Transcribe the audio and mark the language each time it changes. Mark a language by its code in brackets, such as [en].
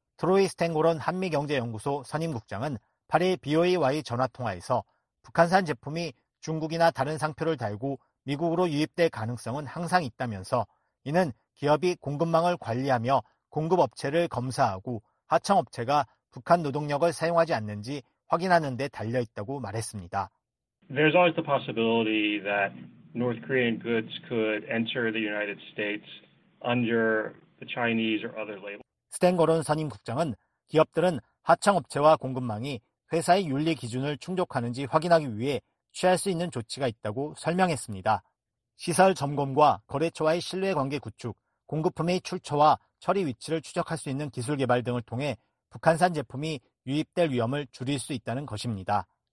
[ko] 트로이 스탱고론 한미경제연구소 선임국장은 8일 BOA와의 전화통화에서 북한산 제품이 중국이나 다른 상표를 달고 미국으로 유입될 가능성은 항상 있다면서 이는 기업이 공급망을 관리하며 공급업체를 검사하고 하청업체가 북한 노동력을 사용하지 않는지 확인하는 데 달려있다고 말했습니다. [en] There's always the possibility that North Korean goods could enter the United States under the Chinese or other label. [ko] 스탠 거론 선임 국장은 기업들은 하청업체와 공급망이 회사의 윤리 기준을 충족하는지 확인하기 위해 취할 수 있는 조치가 있다고 설명했습니다. 시설 점검과 거래처와의 신뢰관계 구축, 공급품의 출처와 처리 위치를 추적할 수 있는 기술 개발 등을 통해 북한산 제품이 유입될 위험을 줄일 수 있다는 것입니다.